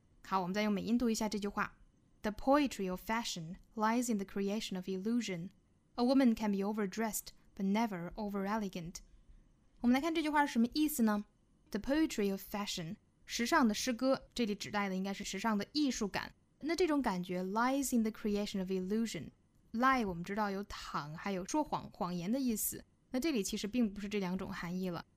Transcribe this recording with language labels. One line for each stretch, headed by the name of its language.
Chinese: 好，我们再用美音读一下这句话。
English: The poetry of fashion lies in the creation of illusion. A woman can be overdressed, but never over elegant.
Chinese: 我们来看这句话是什么意思呢？ The poetry of fashion, 时尚的诗歌，这里指代的应该是时尚的艺术感。
English: 那这种感觉 lies in the creation of illusion.
Chinese: Lie 我们知道有躺还有说谎谎言的意思，那这里其实并不是这两种含义了。